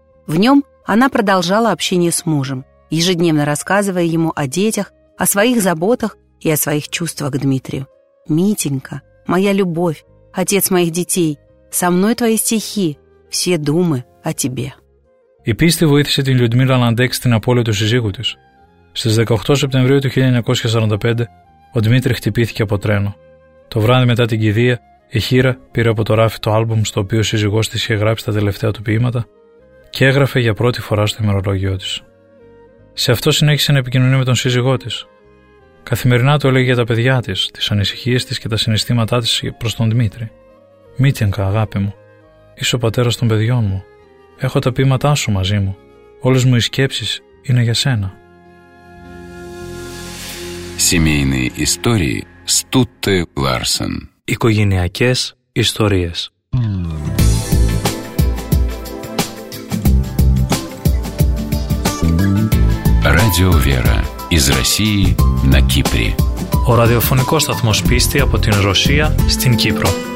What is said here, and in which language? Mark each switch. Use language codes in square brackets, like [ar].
[ru] В нем она продолжала общение с мужем, ежедневно рассказывая ему о детях, о своих заботах и о своих чувствах к Дмитрию. «Митенька, моя любовь, отец моих детей, со мной твои стихи, все думы о тебе». [el] Η πίστη βοήθησε την Людмила να αντέξει την απώλεια του συζύγου της. Στις 18 Σεπτεμβρίου του 1945 ο Δημήτρη χτυπήθηκε από τρένο. Το βράδυ μετά την κηδεία, η Χίρα πήρε από το ράφι το άλμπουμ στο οποίο ο σύζυγός της είχε γράψει τα τελευταία του ποίηματα και έγραφε για πρώτη φορά στο ημερολόγιο της. Σε αυτό συνέχισε να επικοινωνεί με τον σύζυγό της. Καθημερινά του έλεγε για τα παιδιά της, τις ανησυχίες της και τα συναισθήματά της προς τον Δημήτρη. «Μίτιγκα, αγάπη μου, είσαι ο πατέρας των παιδιών μου. Έχω τα ποίηματά σου μαζί μου. Όλες μου οι σκέψεις είναι για σένα». [ru] Семейные истории Стутте Ларсен. [el] Οικογενειακές ιστορίες. [ru] Радио Вера из России на Кипре. [el] Ο ραδιοφωνικός σταθμός πίστη από την Ρωσία στην Κύπρο.